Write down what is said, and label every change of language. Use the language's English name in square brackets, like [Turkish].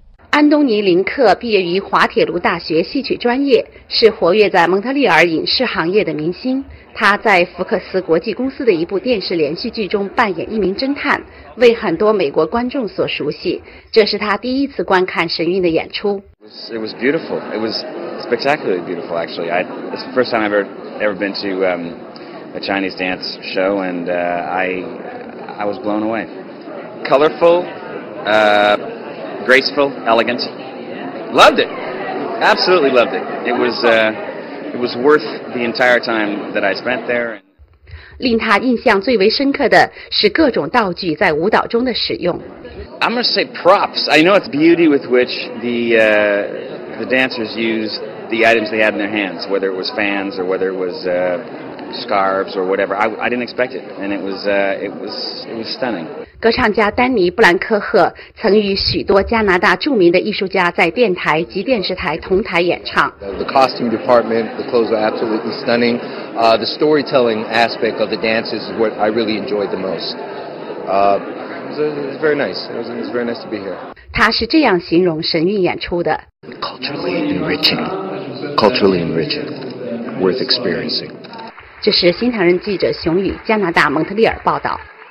[Chinese] 安东尼·林克毕业于滑铁卢大学戏曲专业，是活跃在蒙特利尔影视行业的明星。他在福克斯国际公司的一部电视连续剧中扮演一名侦探，为很多美国观众所熟悉。这是他第一次观看神韵的演出。 [English] It was beautiful. It was spectacularly beautiful, actually. It's the first time I've ever been to a Chinese dance show, and I was blown away. Colorful, graceful, elegant. Loved it. Absolutely loved it. It was worth the entire time that I spent there. [Chinese] 令他印象最为深刻的是各种道具在舞蹈中的使用。 [English] I'm going to say props. I know it's beauty with which the dancers used the items they had in their hands, whether it was fans or whether it was scarves or whatever. I didn't expect it, and it was stunning. [Chinese] 歌唱家丹尼·布兰科赫曾与许多加拿大著名的艺术家在电台及电视台同台演唱。 [English] The costume department, the clothes are absolutely stunning. The storytelling aspect of the dances is what I really enjoyed the most. It was very nice to be here. [Chinese] 他是这样形容神韵演出的 [English] Culturally enriching, worth experiencing. [Chinese] 这是新唐人记者熊宇，加拿大蒙特利尔报道。